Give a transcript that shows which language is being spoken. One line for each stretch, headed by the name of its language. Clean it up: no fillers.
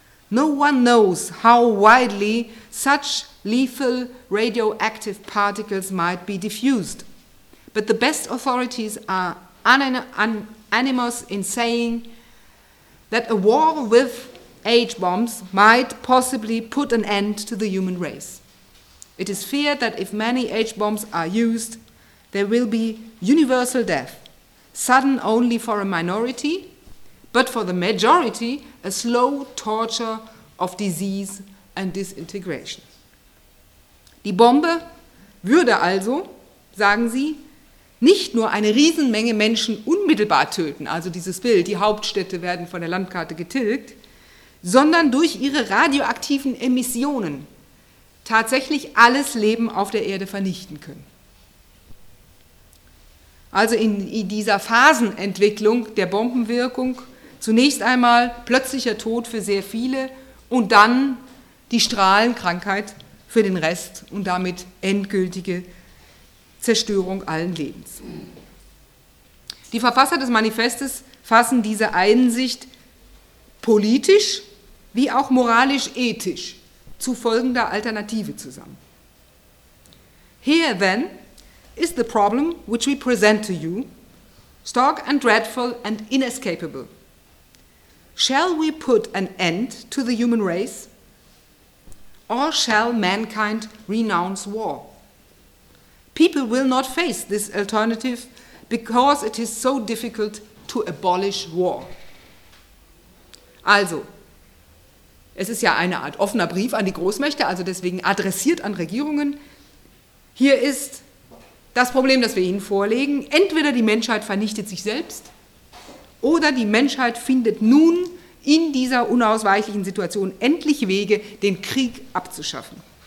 English: No one knows how widely such lethal radioactive particles might be diffused, but the best authorities are unanimous in saying that a war with H-bombs might possibly put an end to the human race. It is feared that if many H-bombs are used, there will be universal death, sudden only for a minority, but for the majority, a slow torture of disease and disintegration.
German: Die Bombe würde also, sagen sie, nicht nur eine Riesenmenge Menschen unmittelbar töten, also dieses Bild, die Hauptstädte werden von der Landkarte getilgt, sondern durch ihre radioaktiven Emissionen tatsächlich alles Leben auf der Erde vernichten können. Also in dieser Phasenentwicklung der Bombenwirkung zunächst einmal plötzlicher Tod für sehr viele und dann die Strahlenkrankheit für den Rest und damit endgültige Zerstörung allen Lebens. Die Verfasser des Manifestes fassen diese Einsicht politisch wie auch moralisch-ethisch zu folgender Alternative zusammen.
English: Here then is the problem which we present to you, stark and dreadful and inescapable. Shall we put an end to the human race? Or shall mankind renounce war? People will not face this alternative because it is so difficult to abolish war.
German: Also, es ist ja eine Art offener Brief an die Großmächte, also deswegen adressiert an Regierungen. Hier ist das Problem, das wir Ihnen vorlegen. Entweder die Menschheit vernichtet sich selbst oder die Menschheit findet nun in dieser unausweichlichen Situation endlich Wege, den Krieg abzuschaffen.